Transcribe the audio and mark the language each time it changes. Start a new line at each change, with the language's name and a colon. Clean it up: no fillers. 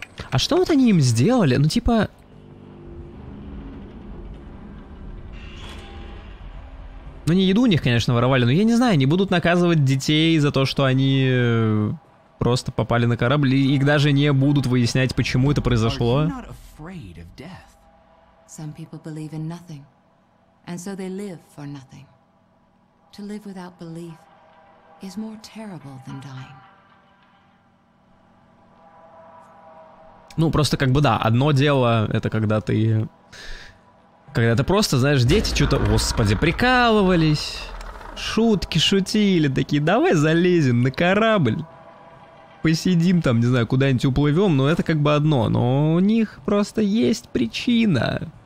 Russian: А что вот они им сделали? Ну типа... Ну не еду у них, конечно, воровали, но я не знаю, они будут наказывать детей за то, что они... Просто попали на корабль, и их даже не будут выяснять, почему это произошло.
English: Some people believe in nothing, and so they live for nothing. To live without belief is more terrible than dying.
Russian: Ну, просто как бы да, одно дело, это когда ты... Когда ты просто, знаешь, дети что-то, господи, прикалывались, шутки шутили, такие, давай залезем на корабль. Посидим там, не знаю, куда-нибудь уплывем, но это как бы одно. Но у них просто есть причина.